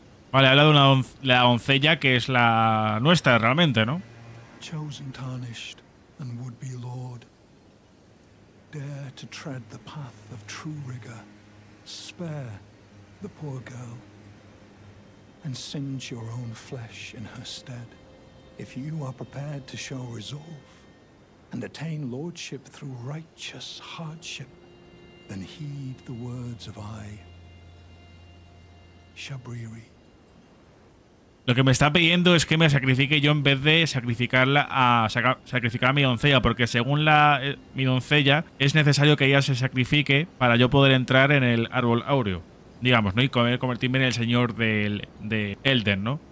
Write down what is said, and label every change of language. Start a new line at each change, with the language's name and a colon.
Spanish: Vale, habla de una la doncella que es la nuestra realmente, ¿no?
English: Chosen, tarnished, and would be lord. Dare to tread the path of true rigor. Spare the poor girl. And singe your own flesh in her stead. If you are prepared to show resolve and attain lordship through righteous hardship, then heed the words of I, Shabriri.
Spanish: Lo que me está pidiendo es que me sacrifique yo en vez de sacrificarla a sacrificar a mi doncella, porque según mi doncella es necesario que ella se sacrifique para yo poder entrar en el árbol áureo. digamos, ¿no? Y convertirme en el señor de Elden, ¿no?